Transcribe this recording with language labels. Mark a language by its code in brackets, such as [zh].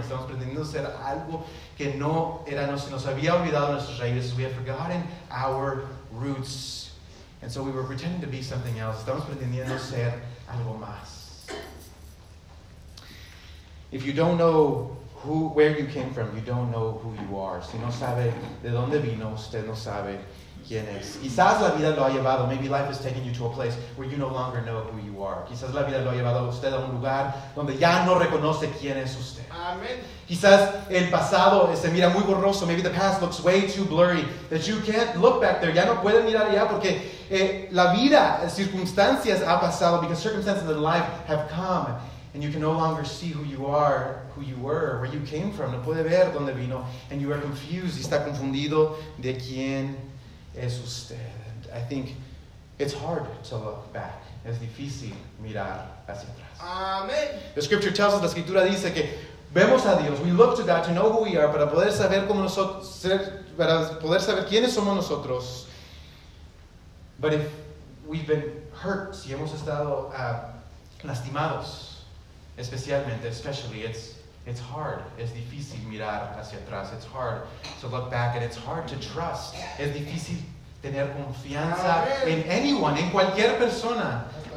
[es] Estamos pretendiendo ser algo que no era. Se nos había olvidado nuestras raíces. [en] We had forgotten our roots. And so we were pretending to be something else. [es] Estamos pretendiendo ser algo más. [en] If you don't know where you came from, you don't know who you are. [es] Si no sabe de dónde vino, usted no sabe quién es. Quizás la vida lo ha llevado. [en] Maybe life has taken you to a place where you no longer know who you are. [es] Quizás la vida lo ha llevado a usted a un lugar donde ya no reconoce quién es usted. Amen. Quizás el pasado se mira muy borroso. [en] Maybe the past looks way too blurry that you can't look back there. [es] Ya no puede mirar allá porque la vida, circunstancias ha pasado, [en] because circumstances in life have come and you can no longer see who you are, who you were, where you came from. [es] No puede ver dónde vino. [en] And you are confused. [es] Está confundido de quién es usted. [en] I think it's hard to look back. [es] Es difícil mirar hacia atrás. [en] Amen. The scripture tells us, [es] la escritura dice que Vemos a Dios. [en] We look to God to know who we are, [es] para poder saber cómo nosotros ser, para poder saber quiénes somos nosotros. [en] But if we've been hurt, [es] si hemos estado lastimados, [en] especially, it's hard. [es] Es difícil mirar hacia atrás. [en] It's hard to look back, and it's hard to trust. [es] Es difícil tener confianza en anyone, en cualquier persona.